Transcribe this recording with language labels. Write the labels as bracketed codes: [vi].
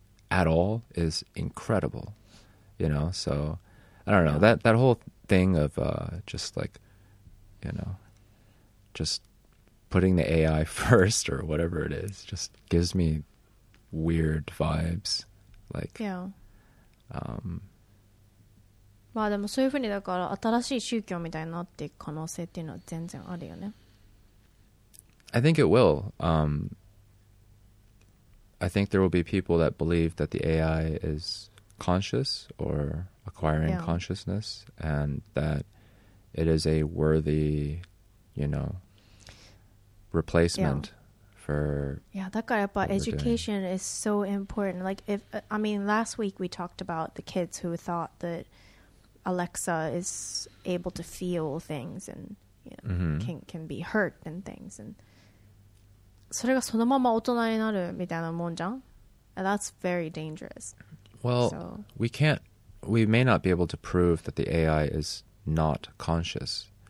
[en] at all is incredible, you know? So I don't know, that whole thing of just like, you know, just putting the AI first or whatever it is just gives me weird vibes. Like, yeah. [ja] まあでもそういうふうにだから新しい宗教みたいになっていく可能性っていうのは全然あるよね。 [en] I think it will. I think there will be people that believe that the AI is conscious or acquiring yeah. consciousness and that it is a worthy, you know, replacement yeah. for... Yeah, [ja] だからやっぱ [en] education is so important. Like, if, I mean, last week we talked about the kids who thought that Alexa is able to feel things and you know, mm-hmm. can be hurt and things and... [ja] それがそのまま大人になるみたいなもんじゃん? [en] And that's very dangerous. Well, so. We may not be able to prove that the AI is not conscious.